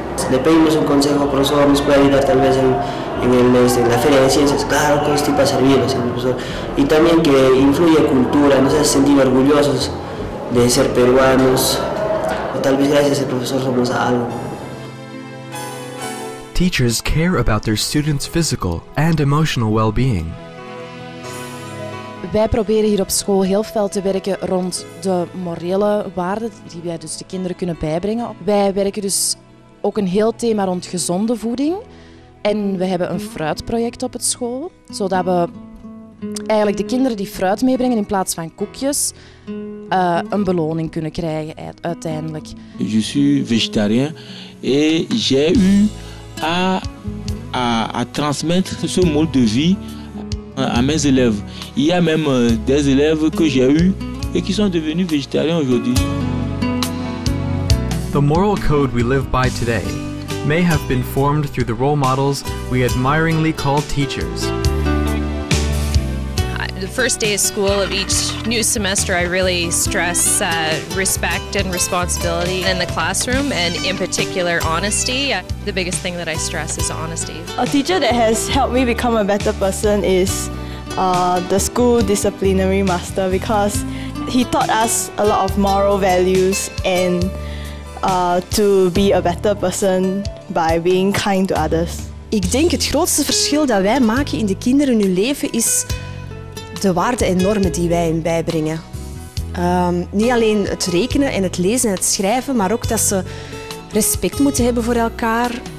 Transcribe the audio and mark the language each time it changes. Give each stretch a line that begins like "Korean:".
Spanish: Le pedimos un consejo, profesor, nos puede ayudar tal vez en la Feria de Ciencias. Claro que esto iba a servir, profesor. Y también que influye cultura, nos hace sentir orgullosos de ser peruanos. O tal vez gracias al profesor somos algo.
English: Teachers care about their students' physical and emotional well-being.
Dutch: Wij proberen hier op school heel veel te werken rond de morele waarden die wij dus de kinderen kunnen bijbrengen. Wij werken dus ook een heel thema rond gezonde voeding. En we hebben een fruitproject op het school, zodat we eigenlijk de kinderen die fruit meebrengen in plaats van koekjes, een beloning kunnen krijgen uiteindelijk.
French: Je suis végétarien et j'ai eu à transmettre ce mode de vie à mes élèves. Il y a même des élèves que j'ai eu et qui sont devenus végétariens aujourd'hui.
English: The moral code we live by today may have been formed through the role models we admiringly call teachers. The first day of school of each new semester, I really stress respect and responsibility in the classroom, and in particular, honesty. The biggest thing that I stress is honesty. A teacher that has helped me become a better person is the school disciplinary master, because he taught us a lot of moral values and to be a better person by being kind to others.
Dutch: Ik denk het grootste verschil dat wij maken in de kinderen in hun leven is de waarden en normen die wij hen bijbrengen. Niet alleen het rekenen en het lezen en het schrijven, maar ook dat ze respect moeten hebben voor elkaar.